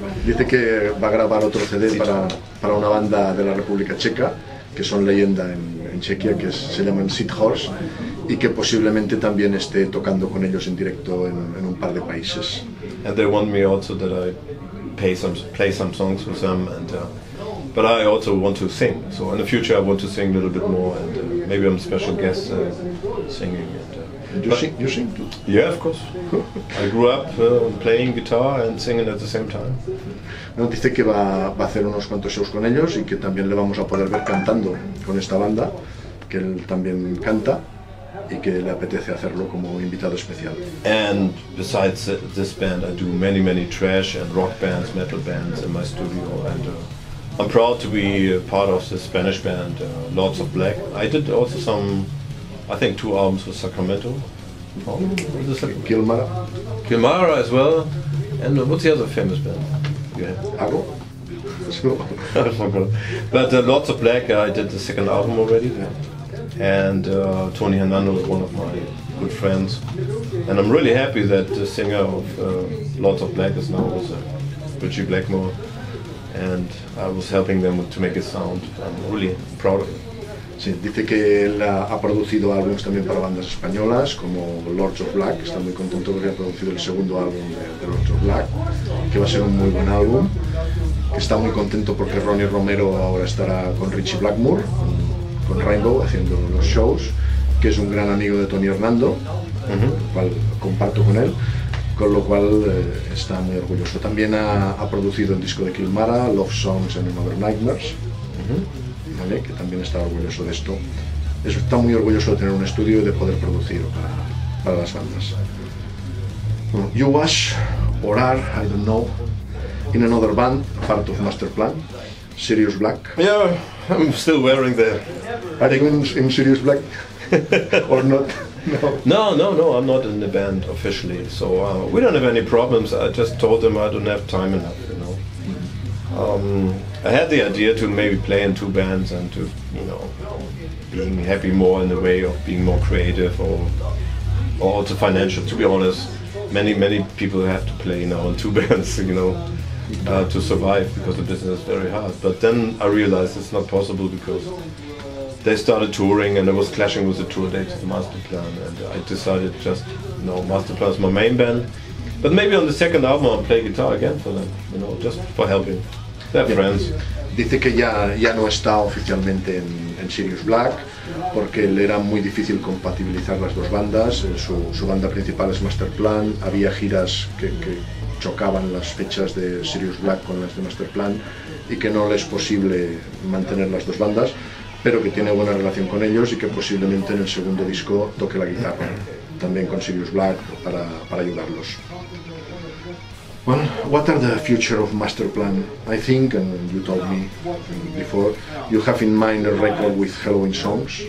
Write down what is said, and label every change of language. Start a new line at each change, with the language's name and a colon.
Spanish: Dice que va a grabar otro CD para una banda de la República Checa, que son leyenda en Chequia, que se llaman Citrus, y que posiblemente también esté tocando con ellos en directo en un par de países.
English: And they want me also that I play some songs with them, and but I also want to sing. So in the future I want to sing a little bit more, and maybe I'm a special guest singing. You sing too? Yeah, of course. I grew up playing guitar and singing at the same time.
Spanish: Nos dice que va a hacer unos cuantos shows con ellos y que también le vamos a poder ver cantando con esta banda, que él también canta y que le apetece hacerlo como invitado especial.
English: And besides this band, I do many, many trash and rock bands, metal bands in my studio. And I'm proud to be part of the Spanish band Lords of Black. I did also some, I think, two albums with Sacramento. Oh, Kilmara. Kilmara as well. And what's the other famous band? Yeah. Ago? But Lords of Black, I did the second album already. Yeah. And Tony Hernando is one of my good friends. And I'm really happy that the singer of Lords of Black is now with Richie Blackmore. And I was helping them to make a sound. I'm really proud of it.
Spanish: Sí, dice que él ha producido álbumes también para bandas españolas, como Lords of Black. Está muy contento porque ha producido el segundo álbum de Lords of Black, que va a ser un muy buen álbum. Está muy contento porque Ronnie Romero ahora estará con Richie Blackmore, con Rainbow, haciendo los shows, que es un gran amigo de Tony Hernando, el cual comparto con él, con lo cual está muy orgulloso. También ha producido el disco de Kilmara, Love Songs and Another Nightmares, ¿vale? Que también está orgulloso de esto. Está muy orgulloso de tener un estudio y de poder producir para las bandas.
English: You was, or are, I don't know, in another band, part of Masterplan, Sirius Black. Yeah, I'm still wearing the... Are you in Sirius Black? Or not? No, I'm not in the band officially. So we don't have any problems. I just told them I don't have time enough, you know. I had the idea to maybe play in two bands and to, you know, being happy more in the way of being more creative or also financial. To be honest, many, many people have to play now in two bands, you know, to survive because the business is very hard. But then I realized it's not possible because they started touring and I was clashing with the tour dates of Masterplan, and I decided just, you know, Masterplan is my main band. But maybe on the second album I'll play guitar again for them, you know, just for helping. Friends.
Spanish: Dice que ya no está oficialmente en Sirius Black porque le era muy difícil compatibilizar las dos bandas. Su banda principal es Masterplan, había giras que chocaban las fechas de Sirius Black con las de Masterplan y que no le es posible mantener las dos bandas, pero que tiene buena relación con ellos y que posiblemente en el segundo disco toque la guitarra también con Sirius Black para ayudarlos.
English: Well, what are the future of Masterplan? I think, and you told me before, you have in mind a record with Halloween songs.